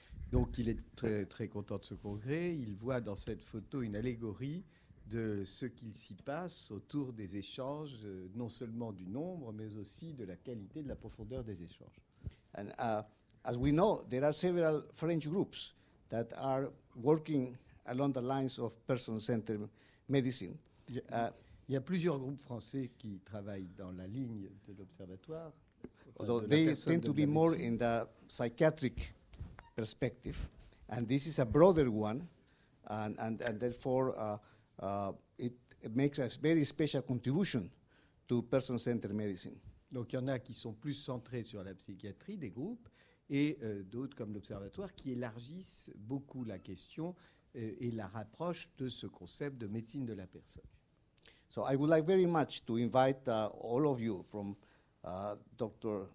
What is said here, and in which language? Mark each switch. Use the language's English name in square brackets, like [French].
[French] Donc il est très, très content de ce congrès. Il voit dans cette photo une allégorie de ce qu'il s'y passe autour des échanges, non seulement du nombre, mais aussi de la qualité, de la profondeur des échanges. [English] And as we know, there are several French groups that are working along the lines of person-centered medicine. [French] Il y a plusieurs groupes français qui travaillent dans la ligne de l'observatoire. [English] Although they tend to be more in the psychiatric perspective, and this is a broader one, and therefore it makes a very special contribution to person-centered medicine. [French] Donc il y en a qui sont plus centrés sur la psychiatrie des groupes, et d'autres comme l'Observatoire qui élargissent beaucoup la question et la rapprochent de ce concept de médecine de la personne. [English] So I would like very much to invite all of you from Dr.